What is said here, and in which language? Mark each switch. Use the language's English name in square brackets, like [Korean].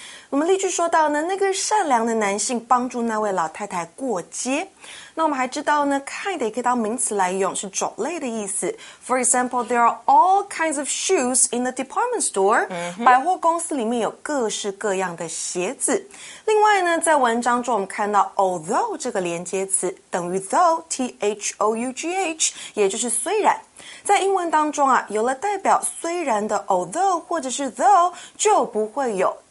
[Chinese] 我们例句说到呢，那个善良的男性帮助那位老太太过街。那我们还知道呢 ，kind 也可以当名词来用，是种类的意思。 [English] For example, there are all kinds of shoes in the department store.、 Mm-hmm. [Chinese] 百货公司里面有各式各样的鞋子。另外呢，在文章中我们看到 although 这个连接词等于 though, T-H-O-U-G-H, 也就是虽然。在英文当中啊，有了代表虽然的 although 或者是 though, 就不会有。